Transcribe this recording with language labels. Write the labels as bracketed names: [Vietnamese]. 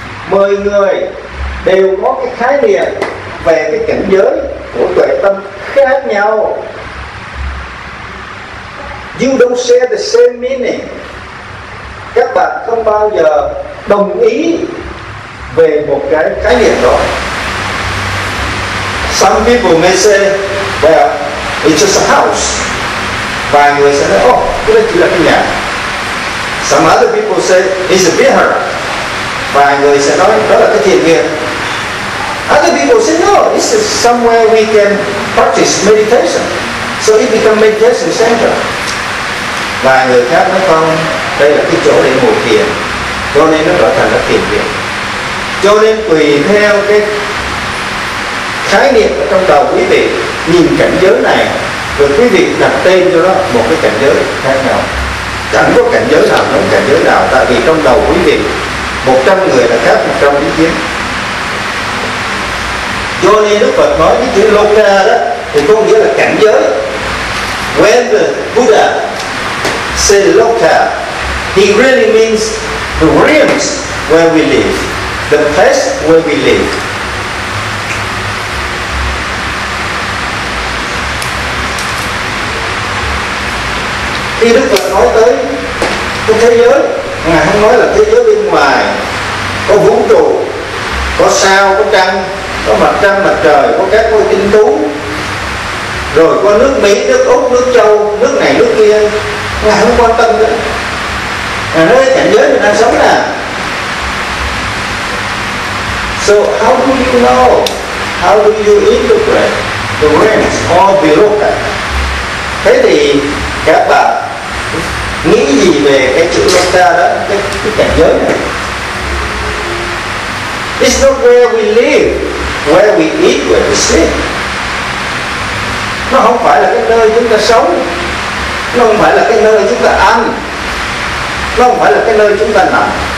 [Vietnamese] Mọi người đều có cái khái niệm về cái cảnh giới của tuệ tâm khác nhau. [English] You don't share the same meaning. [Vietnamese] Các bạn không bao giờ đồng ý về một cái khái niệm đó. [English] Some people may say, well, it's just a house. [Vietnamese] Vài người sẽ nói, oh, cái đó chỉ là cái nhà. [English] Some other people say, it's a vihara. [Vietnamese] Vài người sẽ nói, đó là cái thiền viện. [English] Other people say, no, this is somewhere we can practice meditation. So it becomes meditation center. [Vietnamese] Vài người khác nói, không, đây là cái chỗ để ngồi thiền. Cho nên nó trở thành là thiền viện. Cho nên tùy theo cái khái niệm ở trong đầu quý vị nhìn cảnh giới này, rồi quý vị đặt tên cho nó một cái cảnh giới khác nhau. Chẳng có cảnh giới nào giống cảnh giới nào, tại vì trong đầu quý vị 100 người là khác 100 ý kiến. Cho nên Đức Phật nói cái chữ Loka đó thì có nghĩa là cảnh giới. [English] When the Buddha said Loka, he really means the realms where we live, the place where we live. [Vietnamese] Khi Đức Phật nói tới cái thế giới, Ngài không nói là thế giới bên ngoài, có vũ trụ, có sao, có trăng, có mặt trăng, mặt trời, có các ngôi tinh tú, rồi có nước Mỹ, nước Úc, nước Châu, nước này, nước kia, Ngài không quan tâm nữa. Ngài nói cảnh giới mình đang sống nè. [English] So how do you know, how do you interpret the realms or the Loka? [Vietnamese] Thế thì các bạn nghĩ gì về cái chữ Loka đó, cái cảnh giới này? [English] It's not where we live, where we eat, where we sleep. [Vietnamese] Nó không phải là cái nơi chúng ta sống, nó không phải là cái nơi chúng ta ăn, nó không phải là cái nơi chúng ta nằm.